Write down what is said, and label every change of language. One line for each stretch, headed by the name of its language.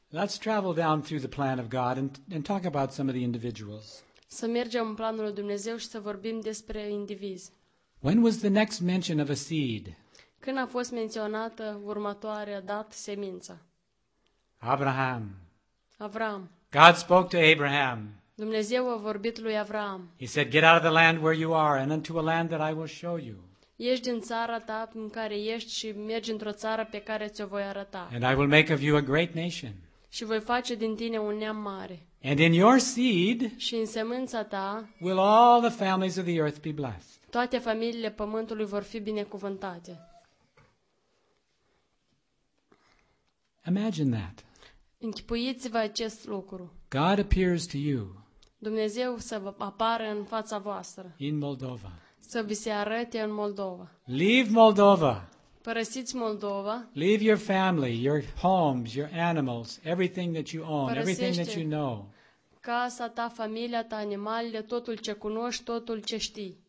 English: Let's travel down through the plan of God and talk about some of the individuals.
Romanian: Să mergem în planul lui Dumnezeu și să vorbim despre indivizi.
English: When was the next mention of a seed?
Romanian: Când a fost menționată următoarea dată semința?
English: Abraham.
Romanian: Avram.
English: God spoke to Abraham.
Romanian: Dumnezeu a vorbit lui Avram.
English: He said, "Get out of the land where you are and unto a land that I will show you."
Romanian: Ieși din țara ta în care ești și mergi într-o țară pe care ți-o voi arăta.
English: And I will make of you a great nation.
Romanian: Și voi face din tine un neam mare.
English: And in your seed,
Romanian: și în semânța ta,
English: will all the families of the earth be blessed.
Romanian: Toate familiile pământului vor fi binecuvântate.
English: Imagine that.
Romanian: Închipuiți-vă acest lucru.
English: God appears to you.
Romanian: Dumnezeu să vă apară în fața voastră.
English: In Moldova.
Romanian: Să vi se arăte în Moldova.
English: Leave Moldova.
Romanian: Părăsiți Moldova.
English: Leave your family, your homes, your animals, everything that you own, everything that you know.
Romanian: Casa ta, familia ta, animalele, totul ce cunoști, totul ce știi.